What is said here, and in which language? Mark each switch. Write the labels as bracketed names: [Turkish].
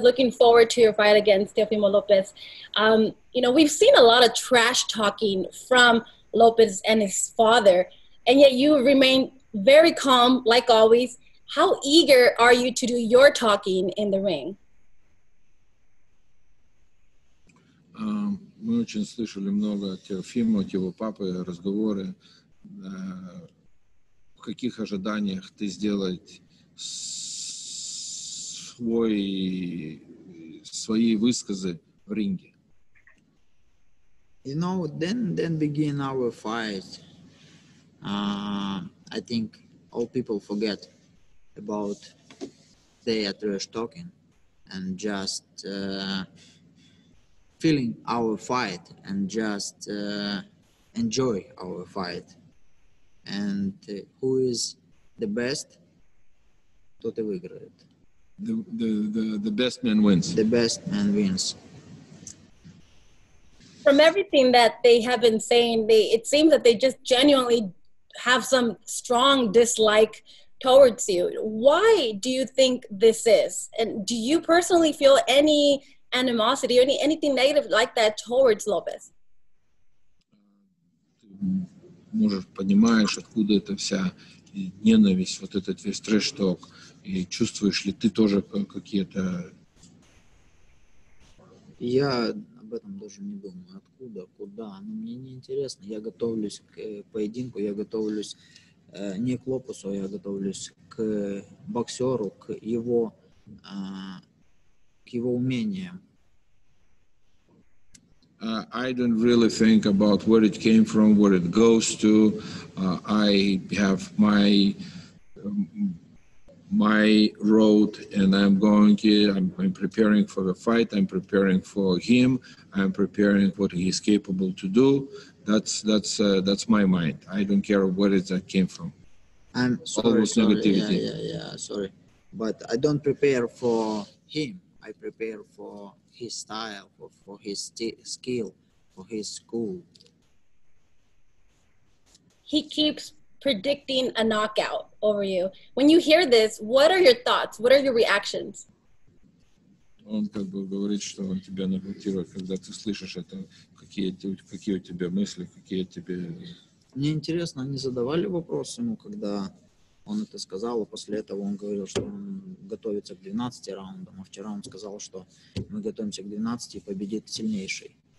[English] Looking forward to your fight against Teofimo Lopez. You know, we've seen a lot of trash talking from Lopez and his father, and yet you remain very calm, like always. How eager are you to do your talking in the ring? [Russian] Мы очень слышали много от Теофима, от его папы, разговоры. В каких ожиданиях ты сделать свои высказы в ринге? [English] You know, then begin our fight. I think all people forget about their trash talking and just feeling our fight and just enjoy our fight. And who is the best? The best man wins. The best man wins. From everything that they have been saying, it seems that they just genuinely have some strong dislike towards you. Why do you think this is? And do you personally feel any animosity or anything negative like that towards Lopez? [Russian] Ты можешь понимаешь, откуда эта вся ненависть, вот этот весь трэш-ток, и чувствуешь ли ты тоже какие-то... Я об этом даже не думаю. Откуда, куда? Ну, мне не интересно. Я готовлюсь к поединку, я готовлюсь не к Лопесу, я готовлюсь к боксеру, к его умениям. [English] I don't really think about where it came from, where it goes to. I have my road, and I'm going here. I'm preparing for the fight. I'm preparing for him. I'm preparing what he's capable to do. That's my mind. I don't care where it came from. I'm sorry. Yeah. Sorry, but I don't prepare for him. I prepare for his style, for his skill, for his school. He keeps predicting a knockout over you. When you hear this, what are your thoughts? What are your reactions? [Russian] Он как бы говорит, что он тебя нокаутирует, когда ты слышишь это, какие у тебя мысли, какие тебе... Мне интересно, они задавали вопрос ему, когда он это сказал, а после этого он говорил, что он готовится к 12 раундам, а вчера он сказал, что мы готовимся к 12 и победит сильнейший.